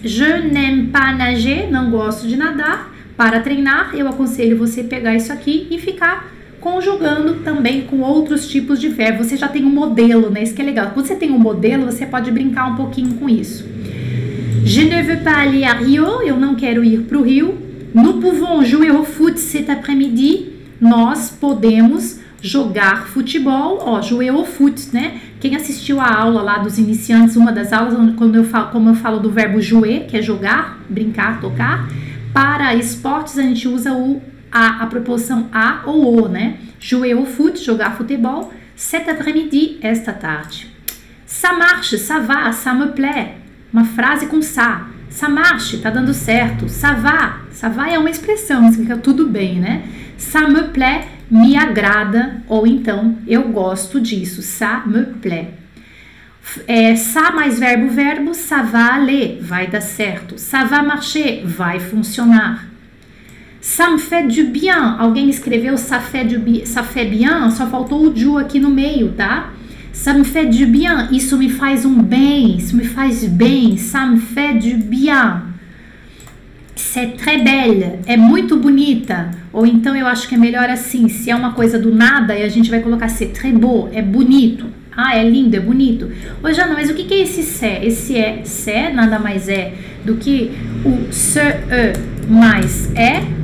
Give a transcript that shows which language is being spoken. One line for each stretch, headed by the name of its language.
French: Je n'aime pas nager,
Portuguese: não gosto de nadar. Para treinar, eu aconselho você pegar isso aqui e ficar conjugando também com outros tipos de verbo. Você já tem um modelo, né? Isso que é legal. Quando você tem um modelo, você pode brincar um pouquinho com isso.
French: Je ne veux pas aller à Rio,
Portuguese: eu não quero ir para o Rio.
French: Nous pouvons jouer au foot cet après-midi.
Portuguese: Nós podemos jogar futebol, ó,
French: jouer au foot,
Portuguese: né? Quem assistiu a aula lá dos iniciantes, uma das aulas, como eu falo do verbo jouer, que é jogar, brincar, tocar, para esportes a gente usa a proporção a ou o, né?
French: Jouer au foot,
Portuguese: jogar futebol,
French: cet après-midi,
Portuguese: esta tarde.
French: Ça marche, ça va, ça me plaît,
Portuguese: uma frase com ça.
French: Ça marche,
Portuguese: tá dando certo.
French: Ça va
Portuguese: é uma expressão, significa tudo bem, né?
French: Ça me plaît,
Portuguese: me agrada, ou então, eu gosto disso,
French: ça me plaît.
Portuguese: Ça mais verbo, verbo,
French: ça va aller,
Portuguese: vai dar certo.
French: Ça va marcher,
Portuguese: vai funcionar.
French: Ça me fait du bien,
Portuguese: alguém escreveu
French: ça fait bien,
Portuguese: só faltou o du aqui no meio, tá?
French: Ça me fait du bien,
Portuguese: isso me faz um bem, isso me faz bem,
French: ça me fait du bien. C'est très belle,
Portuguese: é muito bonita. Ou então eu acho que é melhor assim, se é uma coisa do nada, e a gente vai colocar
French: c'est très beau,
Portuguese: é bonito. Ah, é lindo, é bonito. Hoje já não, mas o que é esse c'est? Esse é, c'est nada mais é do que o ce mais é.